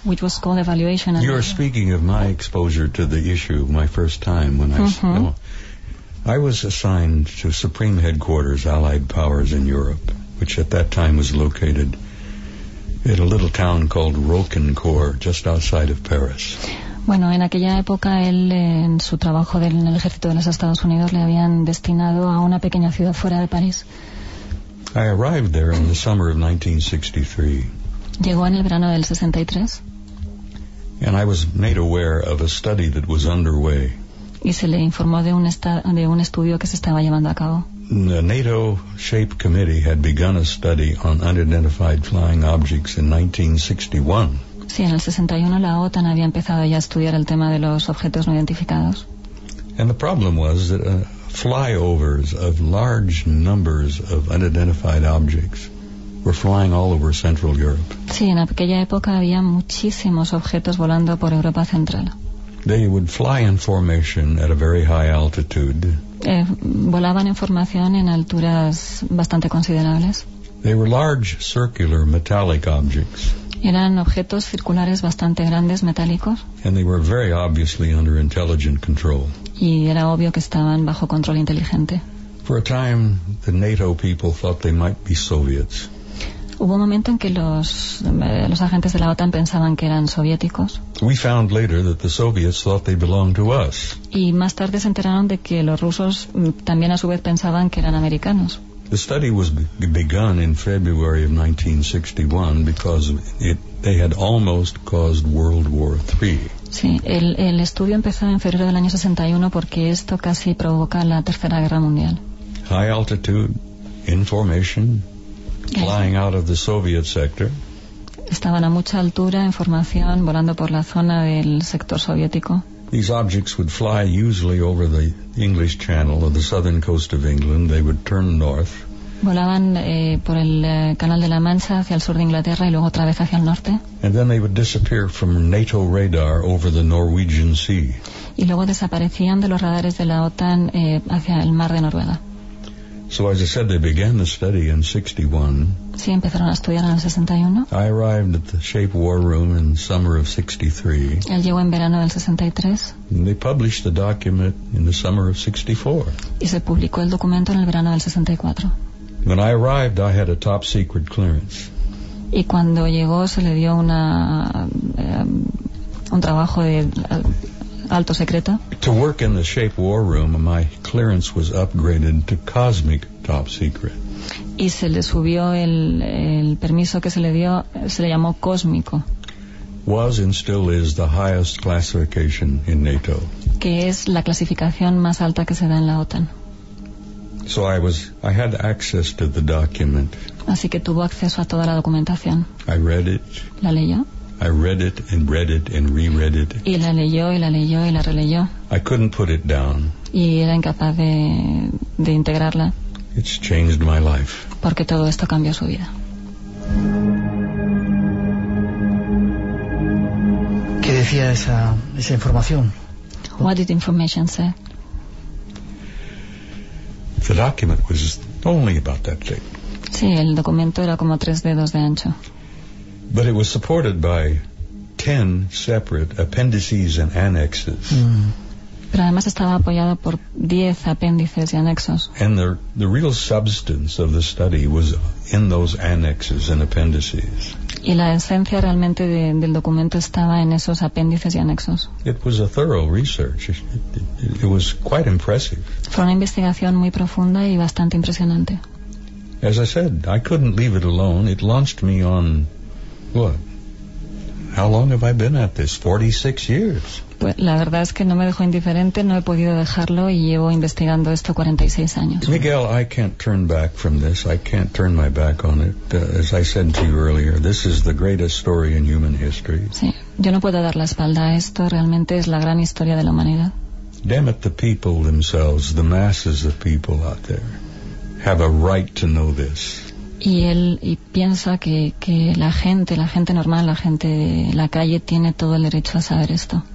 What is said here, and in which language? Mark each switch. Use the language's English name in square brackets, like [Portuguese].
[English] Which was called evaluation. You're speaking of my exposure to the issue, my first time when I was assigned to Supreme Headquarters, Allied Powers in Europe, which at that time was located in a little town called Rocancourt, just outside of Paris. [Spanish] Bueno, en aquella época, él, en su trabajo en el ejército de los Estados Unidos, le habían destinado a una pequeña ciudad fuera de París. [English] I arrived there in the summer of 1963. [Spanish] Llegó en el verano del 63. [English] And I was made aware of a study that was underway. [Spanish] Y se le informó de un estudio que se estaba llevando a cabo. [English] The NATO Shape Committee had begun a study on unidentified flying objects in 1961. [Spanish] Sí, en el 61 la OTAN había empezado ya a estudiar el tema de los objetos no identificados. [English] And the problem was that flyovers of large numbers of unidentified objects were flying all over Central Europe. [Spanish] Sí, en aquella época había muchísimos objetos volando por Europa Central. [English] They would fly in formation at a very high altitude. [Spanish] Volaban en formación en alturas bastante considerables. [English] They were large circular metallic objects. [Spanish] Eran objetos circulares bastante grandes, metálicos. [English] And they were very obviously under intelligent control. [Spanish] Y era obvio que estaban bajo control inteligente. [English] For a time, the NATO people thought they might be Soviets. [Spanish] Hubo un momento en que los agentes de la OTAN pensaban que eran soviéticos. [English] We found later that the Soviets thought they belonged to us. [Spanish] Y más tarde se enteraron de que los rusos también a su vez pensaban que eran americanos. [English] The study was begun in February of 1961 because they had almost caused World War III. [Spanish] Sí, el estudio empezó en febrero del año 61 porque esto casi provoca la Tercera Guerra Mundial. [English] High altitude, in formation, flying out of the Soviet sector. [Spanish] Estaban a mucha altura, en formación, volando por la zona del sector soviético. [English] These objects would fly usually over the English Channel or the southern coast of England. They would turn north. [Spanish] Volaban por el Canal de la Mancha hacia el sur de Inglaterra y luego otra vez hacia el norte. [English] And then they would disappear from NATO radar over the Norwegian Sea. [Spanish] Y luego desaparecían de los radares de la OTAN hacia el mar de Noruega. [English] So as I said, they began the study in 61. [Spanish] Sí, empezaron a estudiar en el 61. [English] I arrived at the Shape War Room in summer of 63. [Spanish] Él llegó en verano del 63. [English] And they published the document in the summer of 64. [Spanish] Y se publicó el documento en el verano del 64. [English] When I arrived, I had a top secret clearance. [Spanish] Y cuando llegó se le dio un trabajo de alto secreto. [English] To work in the Shape War Room, my clearance was upgraded to cosmic top secret. [Spanish] Y se le subió el permiso que se le dio, se le llamó cósmico. [English] Was and still is the highest classification in NATO. [Spanish] Que es la clasificación más alta que se da en la OTAN. [English] So I had access to the document. [Spanish] Así que tuvo acceso a toda la documentación. [English] I read it. [Spanish] La leyó. [English] I read it and read it and reread it. [Spanish] Y la leyó y la leyó y la releyó. [English] I couldn't put it down. [Spanish] Y era incapaz de integrarla. [English] It's changed my life. [Spanish] Porque todo esto cambió su vida. ¿Qué decía esa información? [English] What did the information say? The document was only about that thick. [Spanish] Sí, el documento era como tres dedos de ancho. [English] But it was supported by 10 separate appendices and annexes. [Spanish] Pero además estaba apoyado por 10 apéndices y anexos. [English] And the real substance of the study was in those annexes and appendices. [Spanish] Y la esencia realmente del documento estaba en esos apéndices y anexos. [English] It was a thorough research. It was quite impressive. [Spanish] Fue una investigación muy profunda y bastante impresionante. [English] As I said, I couldn't leave it alone. It launched me on... What? How long have I been at this? 46 years. [Spanish] Pues la verdad es que no me dejó indiferente, no he podido dejarlo y llevo investigando esto 46 años. [English] Miguel, I can't turn back from this. I can't turn my back on it. As I said to you earlier, this is the greatest story in human history. [Spanish] Sí, yo no puedo dar la espalda a esto. Realmente es la gran historia de la humanidad. [English] Damn it, the people themselves, the masses of people out there, have a right to know this. [Spanish] Y él y piensa que la gente normal, la gente de la calle tiene todo el derecho a saber esto.